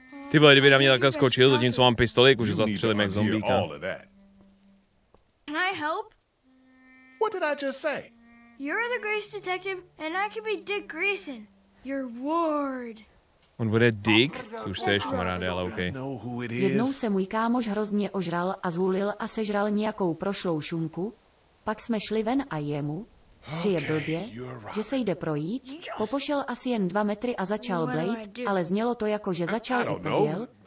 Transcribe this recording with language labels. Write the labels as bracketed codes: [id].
[cs] Ty vole, kdyby na mě takhle skočil, zatímco mám pistoli, už zastřelím jak zombíka. [en] Can I help? What did I just say? You're the Grace detective, and I can be Dick Grayson, your ward. [cs] On bude Dick? To už seš, kamaráde, ale okej. [en] Okay. [cs] Jednou se můj kámoš hrozně ožral a zhulil a sežral nějakou prošlou šunku. Pak jsme šli ven a jemu, že je blbě, že se jde projít, popošel asi jen 2 metry a začal blejt, ale znělo to jako, že začal i prděl.